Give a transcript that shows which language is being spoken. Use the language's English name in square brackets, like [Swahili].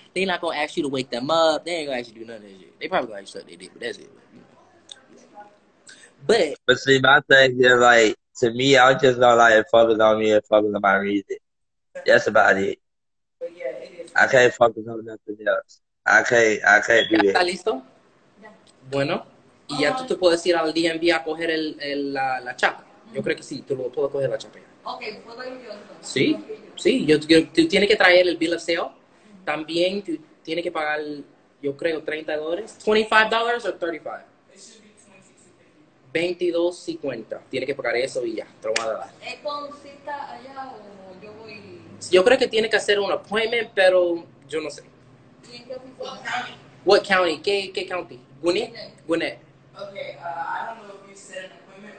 [English] They're not going to ask you to wake them up. They ain't going to ask you to do nothing. They probably going to ask you something they did, but that's it. But see, my thing is, like, to me, I'm just going to, like, focus on me and focus on my reason. That's about it. But yeah, it is. I can't focus on nothing else. I can't do that. [Spanish] ¿Listo? [English] Yeah. [Spanish] Bueno. Y ya tú te puedes ir al DMV a coger la chapa. Yo creo que sí, tú lo puedes coger la chapa ya. Okay, puedo ir yo. Sí, tú tienes que traer el bill of sale. También tú tienes que pagar, yo creo, $30. $25 o $35? [English] It should be $22.50. $22.50. [Spanish] Tienes que pagar eso y ya, te lo voy a dar. ¿Es con cita allá o yo voy? Yo creo que tiene que hacer un appointment, pero yo no sé. ¿Y en qué [English] county? What county? ¿Qué county? Gwinnett? Gwinnett. Okay, I don't know if you set an appointment